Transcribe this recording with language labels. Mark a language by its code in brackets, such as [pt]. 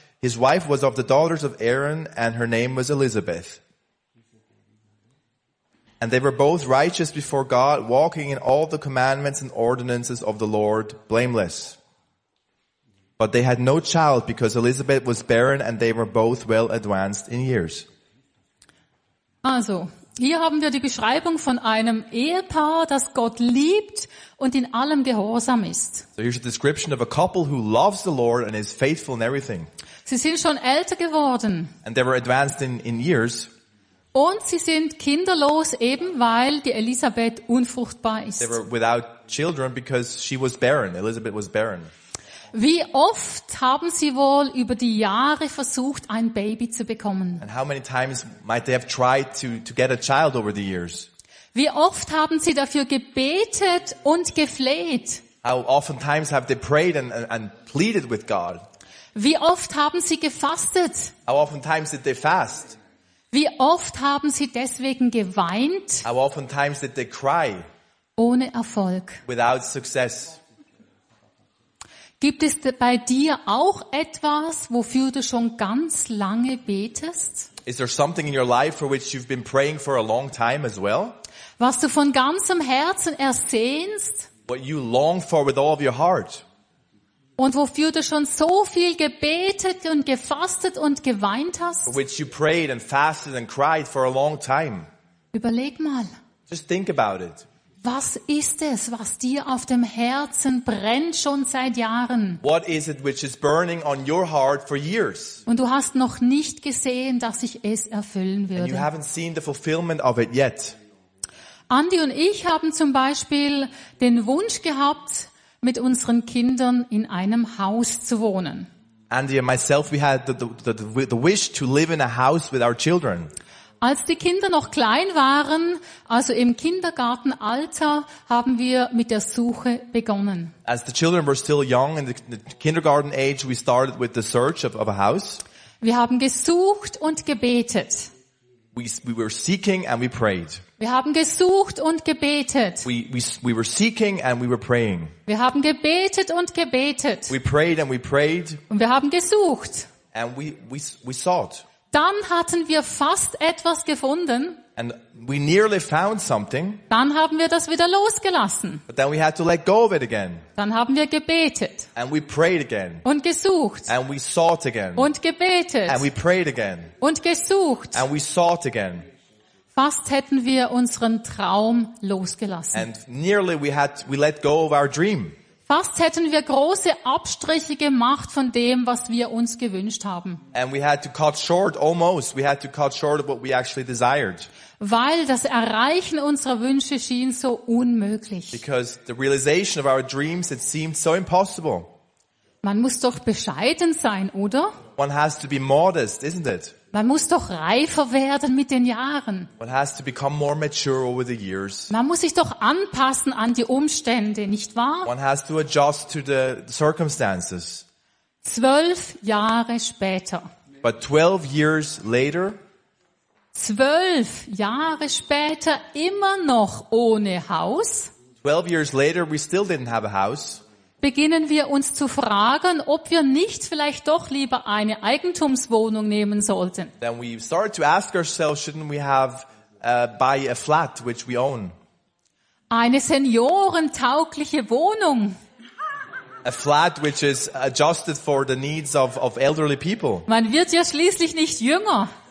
[en] His wife was of the daughters of Aaron, and her name was Elizabeth. And they were both righteous before God, walking in all the commandments and ordinances of the Lord, blameless. But they had no child, because Elizabeth was barren, and they were both well advanced in years. [de] Also, hier haben wir die Beschreibung von einem Ehepaar, das Gott liebt und in allem gehorsam ist. [en] So here's a description of a couple who loves the Lord and is faithful in everything. [de] Sie sind schon älter geworden. [en] And they were advanced in years. [de] Und sie sind kinderlos, eben weil die Elisabeth unfruchtbar ist. [en] They were without children because she was barren. Elizabeth was barren. [de] Wie oft haben sie wohl über die Jahre versucht, ein Baby zu bekommen? [en] And how many times might they have tried to get a child over the years? [de] Wie oft haben sie dafür gebetet und gefleht? [en] How often times have they prayed and pleaded with God? [de] Wie oft haben sie gefastet? [en] How often times did they fast? [de] Wie oft haben sie deswegen geweint? [en] How often times did they cry? [de] Ohne Erfolg. [en] Without success. [de] Gibt es bei dir auch etwas, wofür du schon ganz lange betest? [en] Is there something in your life for which you've been praying for a long time as well? [de] Was du von ganzem Herzen ersehnst? [en] What you long for with all of your heart? [de] Und wofür du schon so viel gebetet und gefastet und geweint hast? [en] For which you prayed and fasted and cried for a long time. [de] Überleg mal. [en] Just think about it. [de] Was ist es, was dir auf dem Herzen brennt schon seit Jahren? [en] What is it which is burning on your heart for years? [de] Und du hast noch nicht gesehen, dass ich es erfüllen würde. [en] And you haven't seen the fulfillment of it yet. [de] Andy und ich haben zum Beispiel den Wunsch gehabt, mit unseren Kindern in einem Haus zu wohnen. [en] Andy and myself, we had the wish to live in a house with our children. [de] Als die Kinder noch klein waren, also im Kindergartenalter, haben wir mit der Suche begonnen. [en] As the children were still young in the kindergarten age, we started with the search of a house. [de] Wir haben gesucht und gebetet. [en] We were seeking and we prayed. [de] Wir haben gesucht und gebetet. [en] We were seeking and we were praying. [de] Wir haben gebetet und gebetet. [en] We prayed and we prayed. [de] Und wir haben gesucht. [en] And we sought. [de] Dann hatten wir fast etwas gefunden. [en] And we nearly found something. [de] Dann haben wir das wieder losgelassen. [en] But then we had to let go of it again. [de] Dann haben wir gebetet. [en] And we prayed again. [de] Und gesucht. [en] And we sought again. [de] Und gebetet. [en] And we prayed again. [de] Und gesucht. [en] And we sought again. [de] Fast hätten wir unseren Traum losgelassen. [en] And nearly we let go of our dream. [de] Fast hätten wir große Abstriche gemacht von dem, was wir uns gewünscht haben. [en] And we had to cut short, almost. We had to cut short of what we actually desired. [de] Weil das Erreichen unserer Wünsche schien so unmöglich. [en] Because the realization of our dreams, it seemed so impossible. [de] Man muss doch bescheiden sein, oder? [en] One has to be modest, isn't it? [de] Man muss doch reifer werden mit den Jahren. [en] One has to become more mature over the years. [de] Man muss sich doch anpassen an die Umstände, nicht wahr? [en] One has to adjust to the circumstances. [de] 12 Jahre später. [en] But 12 years later. [de] 12 Jahre später immer noch ohne Haus. [en] 12 years later we still didn't have a house. [de] Beginnen wir uns zu fragen, ob wir nicht vielleicht doch lieber eine Eigentumswohnung nehmen sollten. [en] Then we started to ask ourselves, shouldn't we have buy a flat which we own? [de] Eine seniorentaugliche Wohnung. [en] A flat which is adjusted for the needs of elderly people. [de] Man wird ja schließlich nicht jünger.